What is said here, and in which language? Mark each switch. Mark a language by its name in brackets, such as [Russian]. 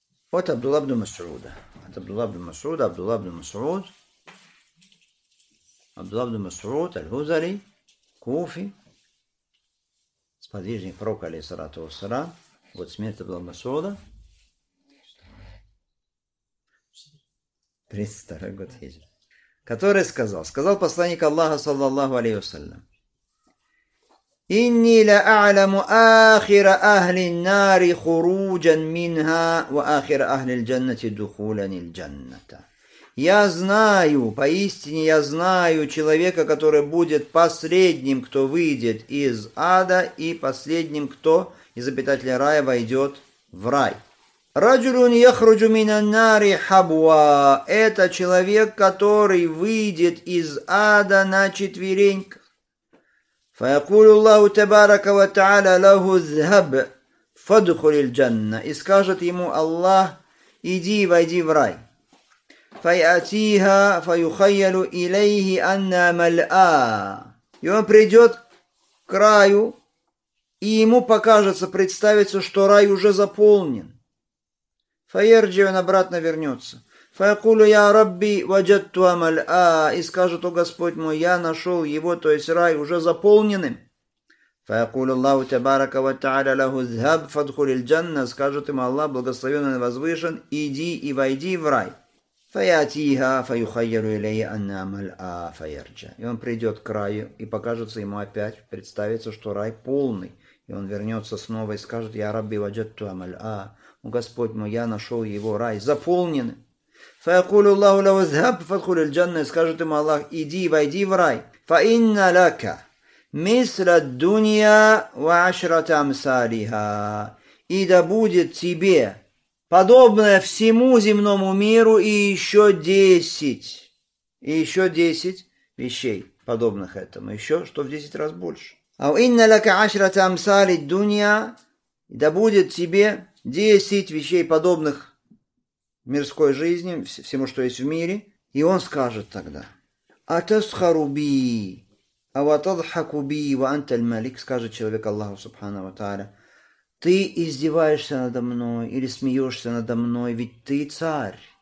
[Russian] Вот Абдулла ибн Масуда. От Абдулла ибн Масуда, Абдулла ибн Масуд, Аль-Хузари, Куфи, сподвижник пророка, алейхиссалату вассалям. Вот смерть Абдулла ибн Масуда. 32-й год хиджры. Который сказал? Сказал посланник Аллаха, саллаллаху алейхи вассалям. [Arabic] إني لأعلم آخر أهل النار خروجا منها وآخر أهل الجنة دخولا الجنة. [Russian] Я знаю, поистине я знаю человека, который будет последним, кто выйдет из ада, и последним, кто из обитателей рая войдет в рай. [Arabic] رجل يخرج من النار حبوا. [Russian] Это человек, который выйдет из ада на четвереньках. [Arabic] فيقول الله تبارك وتعالى له اذهب فادخل الجنة. [Russian] И скажет ему Аллах, иди, войди в рай. [Arabic] فيأتيها فيخيل إليه أن ملآ. [Russian] И он придет к раю, и ему покажется, представится, что рай уже заполнен. [Arabic] فيرجع, [Russian] он обратно вернется. [Arabic] فيقول يا ربي وجدت ملآ. [Russian] И скажет: о Господь мой, я нашел его, то есть рай, уже заполненным. [Arabic] فيقول الله تبارك وتعالى له اذهب فادخل الجنة. [Russian] Скажет ему Аллах, благословенный и возвышен, иди и войди в рай. [Arabic] فيأتيها فيخيل إليه أنها ملآ فيرجع. [Russian] И он придет к раю, и покажется ему опять, представится, что рай полный. И он вернется снова и скажет: я [Arabic] ربي وجدت ملآ. [Russian] О Господь мой, я нашел его, рай заполненный. [Arabic] فيقول الله له اذهب فادخل الجنة. [Russian] Скажет ему Аллах, иди, войди в рай. [Arabic] فإن لك مثل الدنيا وعشرة أمثالها. [Russian] И да будет тебе подобное всему земному миру и еще 10. И еще 10 вещей подобных этому. Еще что в 10 раз больше. [Arabic] فإن لك عشرة أمثال الدنيا. [Russian] И да будет тебе 10 вещей подобных мирской жизни, всему, что есть в мире. И он скажет тогда: [Arabic] «Атасхару би, а ватадхаку би, ва анталь малик». [Russian] Скажет человек Аллаху, субхану ва тааля: Ты издеваешься надо мной или смеешься надо мной, ведь ты царь.